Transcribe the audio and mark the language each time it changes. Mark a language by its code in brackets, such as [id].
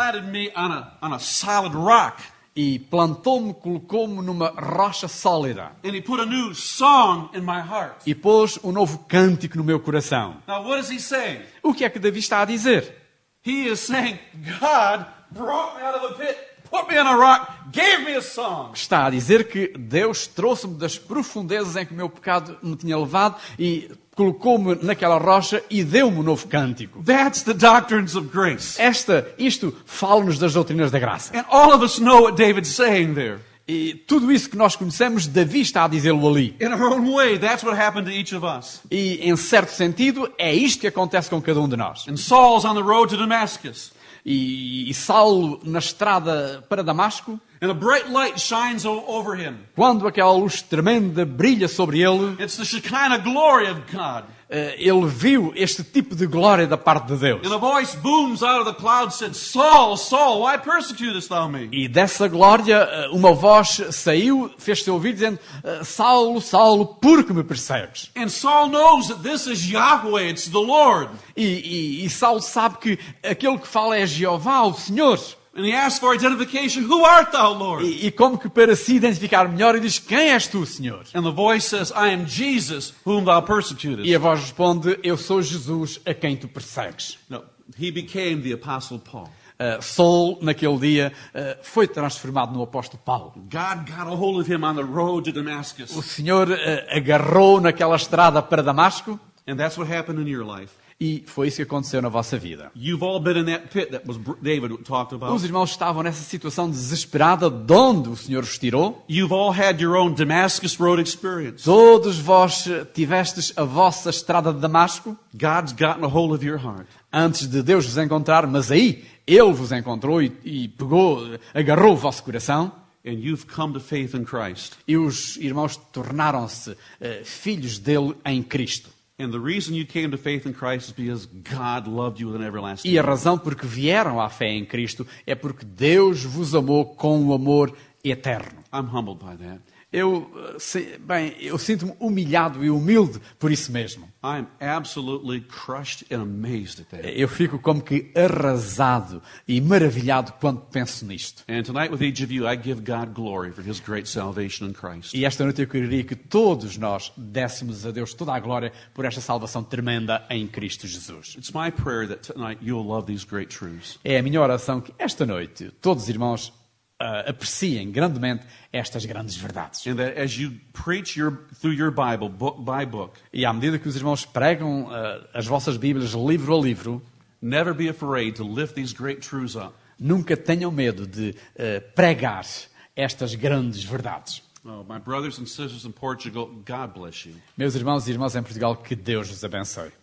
[en] He planted me on a solid rock. [pt] E plantou-me, colocou-me numa rocha sólida. [en] And he put a new song in my heart. [pt] E pôs um novo cântico no meu coração. [en] Now, what is he saying? [pt] O que é que Davi está a dizer? [en] He is saying, God brought me out of a pit, put me on a rock, gave me a song. [pt] Está a dizer que Deus trouxe-me das profundezas em que o meu pecado me tinha levado e colocou-me naquela rocha e deu-me um novo cântico. [en] That's the doctrines of grace. [pt] Isto fala-nos das doutrinas da graça. [en] And all of us know what David's saying there. [pt] E tudo isso que nós conhecemos, Davi está a dizê-lo ali. [en] In our own way, that's what happened to each of us. [pt] E em certo sentido, é isto que acontece com cada um de nós. [en] And Saul's on the road to Damascus. [pt] E Saulo na estrada para Damasco. [en] And a bright light shines over him. [pt] Quando aquela luz tremenda brilha sobre ele, [en] it's the Shekinah glory of God. [pt] Ele viu este tipo de glória da parte de Deus. [en] And a voice booms out of the cloud said, Saul, Saul, why persecutest thou me? [pt] E dessa glória, uma voz saiu, fez-se ouvir, dizendo, Saulo, Saulo, por que me persegues? [en] And Saul knows that this is Yahweh, it's the Lord. [pt] E Saul sabe que aquele que fala é Jeová, o Senhor. [en] And he asks for identification. Who art thou, Lord? [pt] E como que para se identificar melhor, ele diz, quem és tu, Senhor? [en] And the voice says, I am Jesus, whom thou persecutest. [pt] E a voz responde, eu sou Jesus, a quem tu persegues. [en] No, he became the Apostle Paul. [pt] Saul, naquele dia, foi transformado no apóstolo Paulo. [en] God got a hold of him on the road to Damascus. [pt] O Senhor agarrou naquela estrada para Damasco. [en] And that's what happened in your life. [pt] E foi isso que aconteceu na vossa vida. [en] You've all been in that pit that David talked about. [pt] Os irmãos estavam nessa situação desesperada de onde o Senhor os tirou. [en] You've all had your own Damascus road experience. [pt] Todos vós tivestes a vossa estrada de Damasco. [en] God's gotten a hold of your heart. [pt] Antes de Deus vos encontrar, mas aí Ele vos encontrou e pegou, agarrou o vosso coração. [en] And you've come to faith in Christ. [pt] E os irmãos tornaram-se filhos dele em Cristo. [en] And the reason you came to faith in Christ is because God loved you with an everlasting. [pt] E a razão porque vieram à fé em Cristo é porque Deus vos amou com um amor eterno. [en] I'm humbled by that. [pt] Eu sinto-me humilhado e humilde por isso mesmo. [en] I'm absolutely crushed and amazed at that. [pt] Eu fico como que arrasado e maravilhado quando penso nisto. [en] And tonight with each of you, I give God glory for His great salvation in Christ. [pt] E esta noite eu queria que todos nós dessemos a Deus toda a glória por esta salvação tremenda em Cristo Jesus. [en] It's my prayer that tonight you'll love these great truths. [pt] É a minha oração que esta noite todos os irmãos apreciem grandemente estas grandes verdades. [en] And that as you preach your, through your Bible, book by book, [pt] e à medida que os irmãos pregam as vossas Bíblias livro a livro, [en] never be afraid to lift these great truths up. [pt] Nunca tenham medo de pregar estas grandes verdades. [en] Oh, my brothers and sisters in Portugal, God bless you. [pt] Meus irmãos e irmãs em Portugal, que Deus vos abençoe.